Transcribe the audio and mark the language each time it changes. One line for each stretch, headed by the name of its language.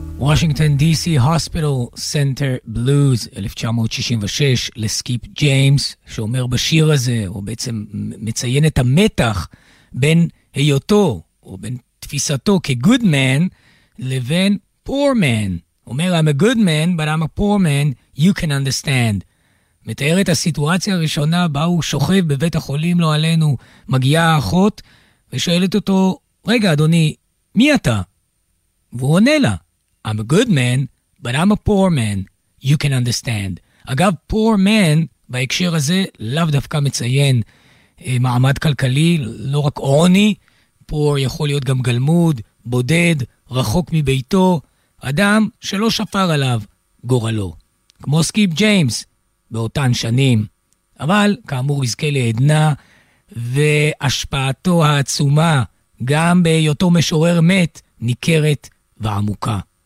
Hebrew: Washington DC Hospital Center Blues 1966 לסקיפ ג'יימס, שאומר בשיר הזה, הוא בעצם מציין את המתח בין היותו או בין תפיסתו כגוד מן לבין פור מן.
English: אומר I'm a good man but I'm a poor man, you can understand.
Hebrew: מתאר את הסיטואציה הראשונה בה הוא שוכב בבית החולים, לא עלינו, מגיעה האחות ושואלת אותו, רגע אדוני, מי אתה? והוא עונה לה,
English: I'm a good man, but I'm a poor man. You can understand.
Hebrew: אגב, poor man, בהקשר הזה, לאו דווקא מציין מעמד כלכלי, לא רק עוני. Poor יכול להיות גם גלמוד, בודד, רחוק מביתו, אדם שלא שפר עליו גורלו. כמו סקיפ ג'יימס, באותן שנים. אבל, כאמור, יזכה לעדנה, והשפעתו העצומה, גם בהיותו משורר מת, ניכרת ועמוקה.